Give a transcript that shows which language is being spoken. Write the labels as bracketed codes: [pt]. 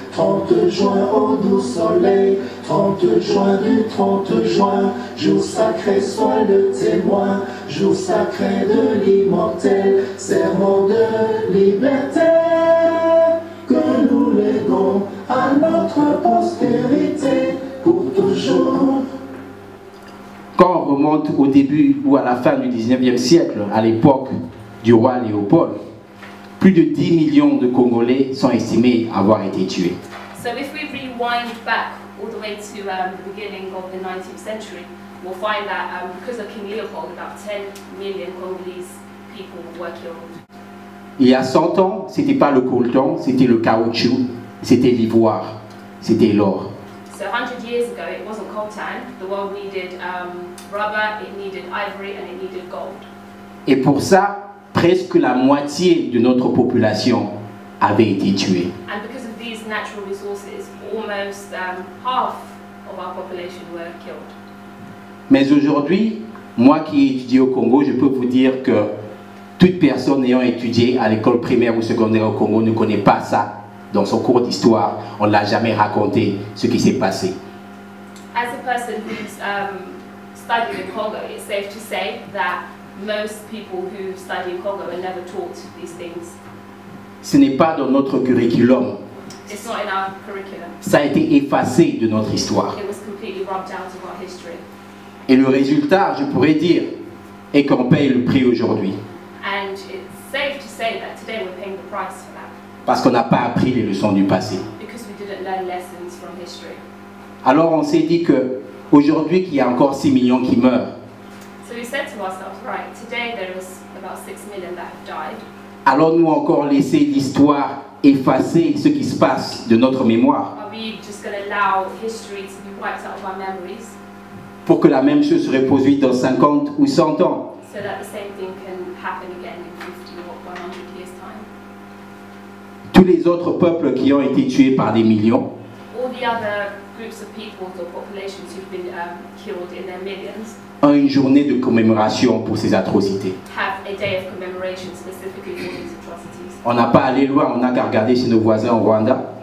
[fr] 30 juin au doux soleil, 30 juin du 30 juin, jour sacré soit le témoin, jour sacré de l'immortel, serment de liberté que nous léguons à notre postérité pour toujours. Quand on remonte au début ou à la fin du 19e siècle, à l'époque du roi Léopold, plus de 10 millions de Congolais sont estimés avoir été tués. [en] So if we rewind back all the way to the beginning of the 19th century, we'll find that because of King Leopold, about 10 million Congolese people were killed. [fr] Il y a 100 ans, c'était pas le coltan, c'était le caoutchouc, c'était l'ivoire, c'était l'or. [en] So 100 years ago, it wasn't coltan. The world needed rubber, it needed ivory, and it needed gold. [fr] Et pour ça, presque la moitié de notre population avait été tuée. [en] And because of these natural resources, almost half of our population were killed. [fr] Mais aujourd'hui, moi qui étudie au Congo, je peux vous dire que toute personne ayant étudié à l'école primaire ou secondaire au Congo ne connaît pas ça. Dans son cours d'histoire, on ne l'a jamais raconté ce qui s'est passé. [en] As a person who's studied in Congo, it's safe to say that most people who study in Congo are never taught these things. [fr] Ce n'est pas dans notre curriculum. [en] It's not in our curriculum. [fr] Ça a été effacé de notre histoire. [en] It was completely rubbed out of our history. [fr] Et le résultat, je pourrais dire, est qu'on paye le prix aujourd'hui. [en] And it's safe to say that today we're paying the price for that. [fr] Parce qu'on n'a pas appris les leçons du passé. [en] Because we didn't learn lessons from history. [fr] Alors on s'est dit que aujourd'hui qu'il y a encore 6 millions qui meurent. [en] So we said to ourselves, right, today there was about 6 million that have died. [fr] Allons-nous encore laisser l'histoire effacer ce qui se passe de notre mémoire? [en] Are we just going to allow history to be wiped out of our memories? [fr] Pour que la même chose se reproduise dans 50 ou 100 ans. [en] So that the same thing can happen again in 50 or 100 years time. [fr] Tous les autres peuples qui ont été tués par des millions. [en] All the other groups of people or populations who've been killed in their millions. [fr] Ont une journée de commémoration pour ces atrocités. [en] Have a day of commemoration specifically for these atrocities. [fr] On n'a pas allé loin, on n'a qu'à regarder chez nos voisins au Rwanda.